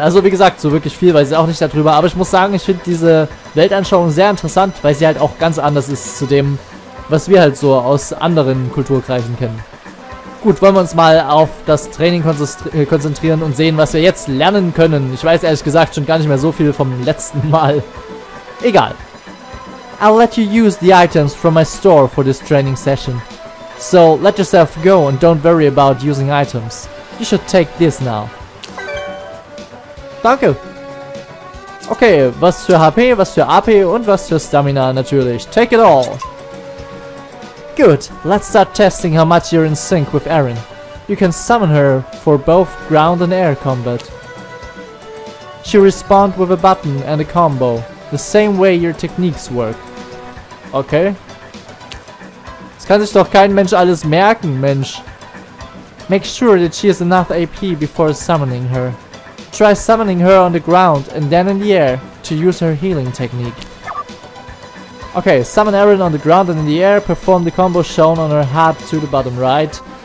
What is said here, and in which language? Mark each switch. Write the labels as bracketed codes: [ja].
[de] Also wie gesagt, so wirklich viel weiß ich auch nicht darüber. Aber ich muss sagen, ich finde diese Weltanschauung sehr interessant, weil sie halt auch ganz anders ist zu dem, was wir halt so aus anderen Kulturkreisen kennen. Gut, wollen wir uns mal auf das Training konzentrieren und sehen, was wir jetzt lernen können. Ich weiß ehrlich gesagt schon gar nicht mehr so viel vom letzten Mal. Egal. [en] I'll let you use the items from my store for this training session. So let yourself go and don't worry about using items. You should take this now. [de] Danke. Okay, was für HP, was für AP und was für Stamina natürlich. [en] Take it all. Good, let's start testing how much you're in sync with Aaron. You can summon her for both ground and air combat. She responds with a button and a combo, the same way your techniques work. Okay. [de] Das kann sich doch kein Mensch alles merken, Mensch. [en] Make sure that she has enough AP before summoning her. Try summoning her on the ground and then in the air to use her healing technique. Okay, summon Aurion on the ground and in the air, perform the combo shown on her hat to the bottom right.